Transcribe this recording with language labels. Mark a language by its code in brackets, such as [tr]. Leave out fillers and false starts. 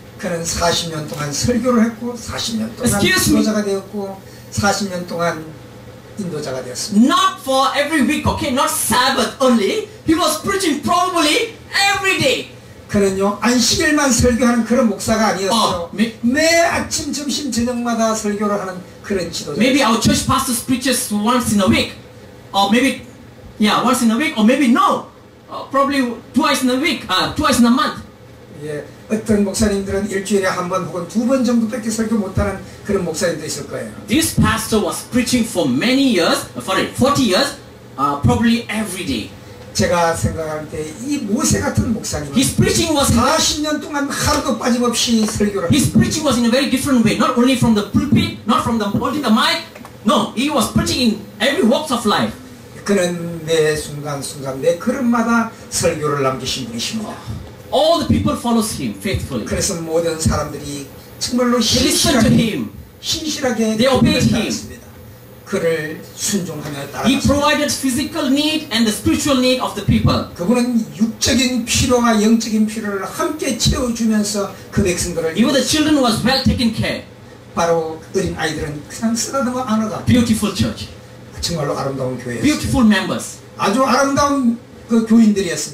[ko] 그는 40년 동안 설교를 했고 40년 동안 인도자가 되었고 40년 동안 인도자가 되었습니다. [en] Not for every week, okay? Not Sabbath only. He was preaching probably every day. [ko] 그는요 안식일만 설교하는 그런 목사가 아니었어요. 매 아침, 점심, 저녁마다 설교를 하는 그런 지도자. [en] Maybe our church pastor preaches once in a week. Or maybe, yeah, once in a week, or maybe no, probably twice in a week, twice in a month. [ko] 예, 어떤 목사님들은 일주일에 한 번 혹은 두 번 정도밖에 설교 못하는 그런 목사님도 있을 거예요. [en] This pastor was preaching for many years, for 40 years, probably every day. [ko] 제가 생각할 때 이 모세 같은 목사님은 [en] His preaching was [ko] 40년 동안 하루도 빠짐없이 설교를. [en] His preaching was in a very different way, not only from the pulpit, not from the holding the mic. No, he was preaching in every walks of life. [ko] 그는 매 순간순간 매 걸음마다 설교를 남기신 분이십니다. [en] All the people follows him faithfully. [ko] 그래서 모든 사람들이 정말로 신실하게 [en] They obeyed him. [ko] 그를 순종하며 따라갔습니다. [en] He provided physical need and the spiritual need of the people. [ko] 그분은 육적인 필요와 영적인 필요를 함께 채워주면서 그 백성들을 [en] Even the children was well taken care. [ko] 바로 어린 아이들은 그냥 쓰다듬어 안아가. [en] Beautiful church. [ko] 정말로 아름다운 교회. [en] Beautiful members. [ko] 아주 아름다운 그 교인들이었습니다.